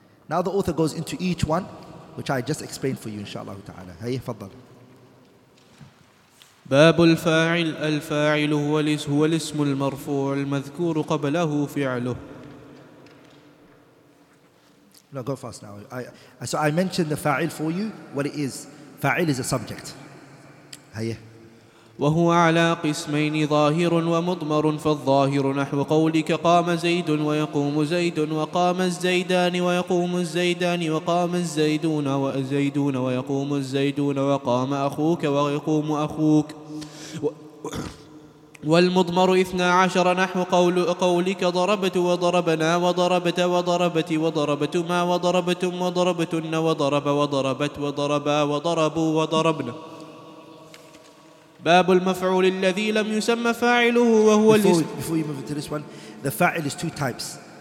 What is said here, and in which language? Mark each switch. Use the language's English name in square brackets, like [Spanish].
[English] Now the author goes into each one, which I just explained for you, inshallah ta'ala. Hey, faddal. [Arabic] باب الفاعل الفاعل هو الاسم المرفوع المذكور قبله فعله. [English] No, go fast now. I mentioned the fa'il for you, what it is. Fa'il is a subject. هيا. [Arabic] وهو على قسمين ظاهر ومضمر فالظاهر نحو قولك قام زيد ويقوم زيد وقام الزيدان ويقوم الزيدان وقام الزيدون وزيدون ويقوم الزيدون وقام أخوك ويقوم أخوك والمضمر 12 نحو قولك ضربت وضربنا وضربت وضربت وضربت ما وضربتم وضربتن وضرب وضربت وضربا وضربوا وضربنا. باب المفعول الذي لم يسمى فاعله وهو [English] before you move into this one, the fa'il is two types.